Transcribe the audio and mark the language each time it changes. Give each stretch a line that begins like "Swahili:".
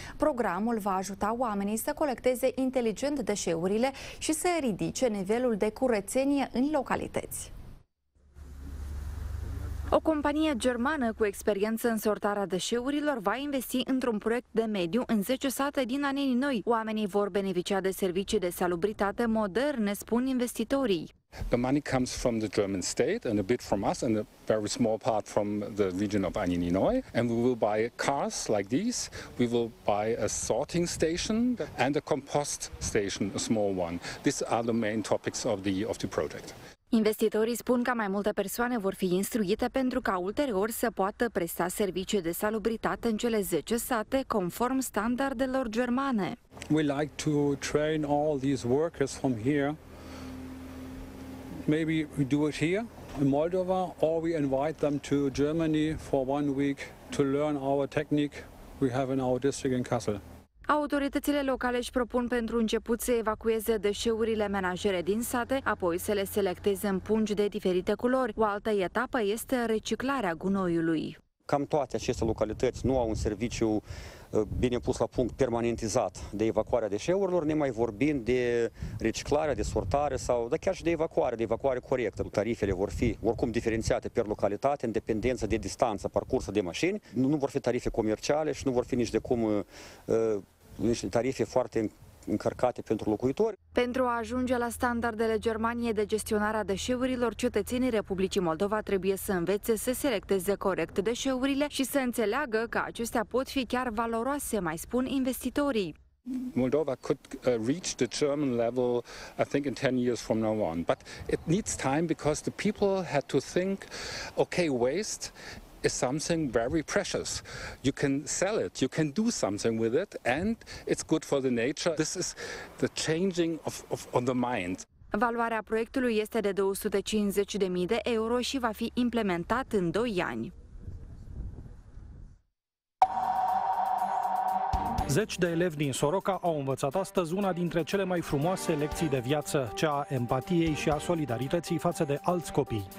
Romanian: Programul va ajuta oamenii să colecteze inteligent deșeurile și să ridice nivelul de curățenie în localități. O companie germană cu experiență în sortarea deșeurilor va investi într-un proiect de mediu în 10 sate din Aneni Noi. Oamenii vor beneficia de servicii de salubritate moderne, spun investitorii.
English: The money comes from the German state and a bit from us and a very small part from the region of Aneni Noi, and we will buy cars like these, we will buy a sorting station and a compost station, a small one. These are the main topics of the project.
Romanian: Investitorii spun că mai multe persoane vor fi instruite pentru ca ulterior să poată presta servicii de salubritate în cele 10 sate conform standardelor germane.
English: We like to train all these workers from here. Maybe we do it here in Moldova, or we invite them to Germany for one week to learn our technique we have in our district in Kassel.
Romanian: Autoritățile locale își propun pentru început să evacueze deșeurile menajere din sate, apoi să le selecteze în pungi de diferite culori. O altă etapă este reciclarea gunoiului. Cam toate aceste localități nu au un serviciu bine pus la punct, permanentizat, de evacuarea deșeurilor, nemai vorbind de reciclare, de sortare sau da, chiar și de evacuare corectă. Tarifele vor fi oricum diferențiate per localitate, în dependență de distanță parcursă de mașini. Nu vor fi tarife comerciale și nu vor fi nici de cum niște tarife foarte încărcate pentru locuitori. Pentru a ajunge la standardele Germaniei de gestionare a deșeurilor, cetățenii Republicii Moldova trebuie să învețe să selecteze corect deșeurile și să înțeleagă că acestea pot fi chiar valoroase, mai spun investitorii.
English: Moldova could reach the German level, I think, in 10 years from now on. But it needs time because the people had to think, okay, waste is something very precious. You can sell it, you can do something with it, and it's good for the nature. This is the changing of the mind.
Romanian: Valoarea proiectului este de 250.000 de euro și va fi implementat în 2 ani. Zeci de elevi din Soroca au învățat astăzi una dintre cele mai frumoase lecții de viață, cea a empatiei și a solidarității față de alți copii.